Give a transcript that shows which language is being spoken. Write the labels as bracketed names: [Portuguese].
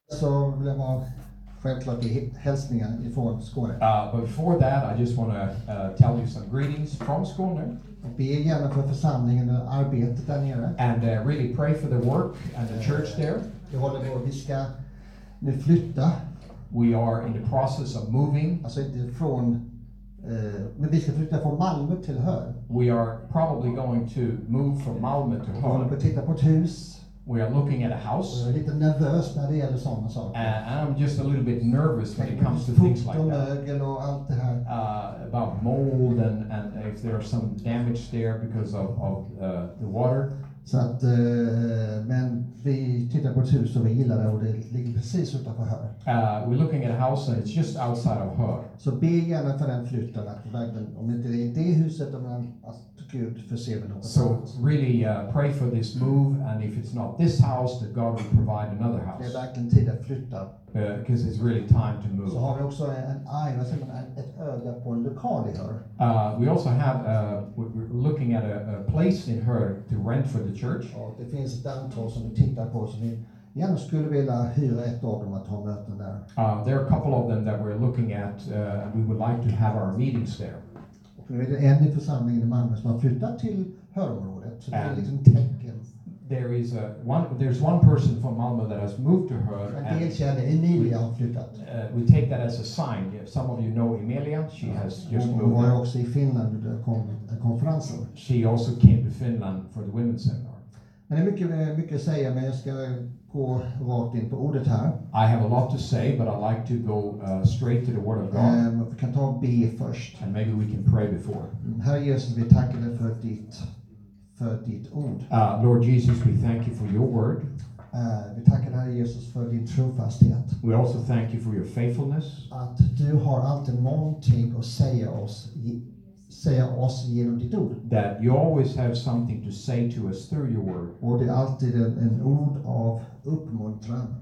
[Swedish] So, det var självklart hälsningen ifrån Skåne. [English] Before that, I just want to tell you some greetings from Skåne. [Swedish] Och be gärna för församlingen och arbetet där nere. [English] And really pray for the work and the church there. [Swedish] Vi håller på att vi ska nu flytta. [English] We are in the process of moving. [Swedish] Alltså inte från, men vi ska flytta från Malmö till Hör. [English] We are probably going to move from Malmö to Hör. [Swedish] Vi håller på att titta på ett hus. [English] We are looking at a house. [Swedish] Jag är lite nervös när det gäller sådana saker. [English] I'm just a little bit nervous when it comes to things like that. [Swedish] Fukt och mögel och allt det här. [English] About mold and if there are some damage there because of the water. [Swedish] Så att, men vi tittar på ett hus som vi gillar det och det ligger precis utanför Hör. [English] We're looking at a house and it's just outside of Hör. [Swedish] Så be gärna för den flytten att verkligen, om inte det är det huset, om man Gud förser med något. [English] So really pray for this move and if it's not this house that God will provide another house. [Swedish] Det är verkligen tid att flytta. [English] Because it's really time to move. [Swedish] Så har vi också en eye, vad säger man, ett öga på en lokal i Hör. [English] We also have, we're looking at a place in Hör to rent for the church. [Swedish] Och det finns ett antal som vi tittar på som vi gärna skulle vilja hyra ett av dem att ha möten där. [English] There are a couple of them that we're looking at, we would like to have our meetings there. [Swedish] Och nu är det en i församlingen i Malmö som har flyttat till Hörområdet, så det är liksom tecken. [English] There is a one. There's one person from Malmo that has moved to her. [Swedish] And Emilia har flyttat. [English] We take that as a sign. If some of you know Emilia, she has just moved. [Swedish] Hon var också i Finland under konferensen. [English] She also came to Finland for the women's seminar. [Swedish] Men det är mycket att säga, men jag ska gå rakt in på ordet här. [English] I have a lot to say, but I'd like to go straight to the word of God. [Swedish] Vi kan ta be först. [English] And maybe we can pray before. [Swedish] Herre Jesus, vi tackar dig för ditt ord. [English] Lord Jesus, we thank you for your word. [Swedish] Vi tackar dig Jesus för din trofasthet. [English] We also thank you for your faithfulness. [Swedish] Att du har alltid någonting att säga oss genom ditt ord. [English] That you always have something to say to us through your word. [Swedish] Och det är alltid en ord av uppmuntran.